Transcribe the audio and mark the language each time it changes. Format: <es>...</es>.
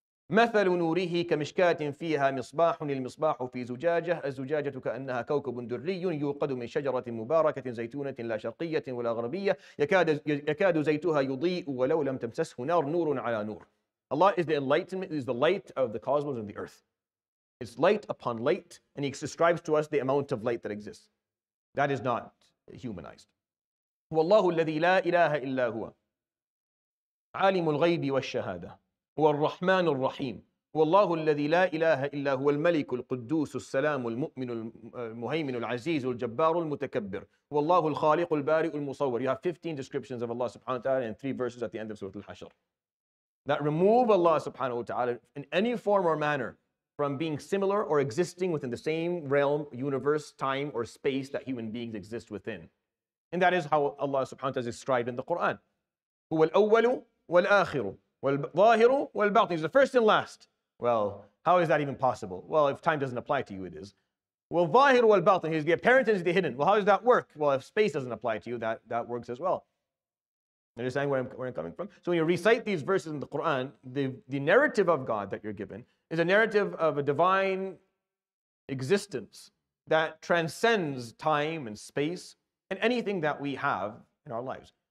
<ar>مثل نوره كمشكاة فيها مصباح المصباح في زجاجة الزجاجة كأنها كوكب دري يوقد من شجرة مباركة زيتونة لا شرقية ولا غربية يكاد زيتها يضيء ولو لم تمسسه نار نور على نور.</ar> <en>Allah is the enlightenment, is the light of the cosmos and the earth. It's light upon light, and he describes to us the amount of light that exists. That is not humanized.</en> <ar>وَاللَّهُ الَّذِي لَا إِلَهَ إِلَّا هُوَ عَالِمُ الْغَيْبِ وَالشَّهَادَةِ والرحمن الرحيم والله الذي لا إله إلا هو الملك القدوس السلام المؤمن المهيمن العزيز الجبار المتكبر والله الخالق البارئ المصور.</ar> <en>You have 15 descriptions of Allah subhanahu wa ta'ala and 3 verses at the end of Surah Al-Hashr that remove Allah subhanahu wa ta'ala in any form or manner from being similar or existing within the same realm, universe, time or space that human beings exist within. And that is how Allah subhanahu wa ta'ala is described in the Quran.</en> <ar>هو الأول والآخر والظاهر والباطن.</ar> <en>He's the first and last. Well, how is that even possible? Well, if time doesn't apply to you, it is.</en> <ar>والظاهر والباطن.</ar> <en>He's the apparent and he's the hidden. Well, how does that work? Well, if space doesn't apply to you, that works as well. Understand where I'm coming from? So when you recite these verses in the Quran, the narrative of God that you're given is a narrative of a divine existence that transcends time and space and anything that we have in our lives.</en>